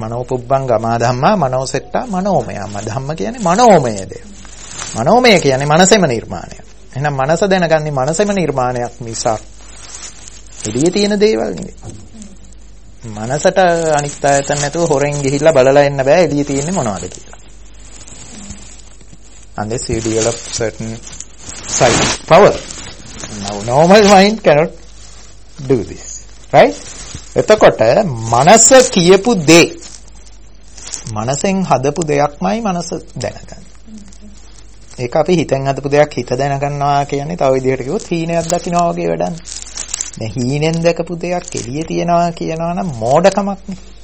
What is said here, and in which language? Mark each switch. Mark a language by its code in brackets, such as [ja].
[pi] මනෝපුබ්බංගම ධම්මා මනෝසෙට්ටා මනෝමය. [si] මන ධම්ම කියන්නේ මනෝමය දෙයක්. මනෝමය කියන්නේ මනසෙම නිර්මාණය. එහෙනම් මනස දැනගන්නේ මනසෙම නිර්මාණයක් මිසක් එළියේ තියෙන දේවල් නෙවෙයි. මනසට අනිත් ආයතන නැතුව හොරෙන් ගිහිල්ලා බලලා එන්න බෑ එළියේ තියෙන්නේ මොනවද කියලා. [en] And this you develop certain sight power. Now normal mind cannot do this. right? [si] එතකොට මනස කියපු දේ මනසෙන් හදපු දෙයක්මයි මනස දැනගන්නේ. ඒක අපි හිතෙන් හදපු දෙයක් හිත දැනගන්නවා කියන්නේ තව විදිහකට කිව්වොත් හීනයක් දකින්නවා වගේ වැඩක්. දැන් හීනෙන් දැකපු දෙයක් එළියේ තියෙනවා කියනවනම් මෝඩකමක් නේ.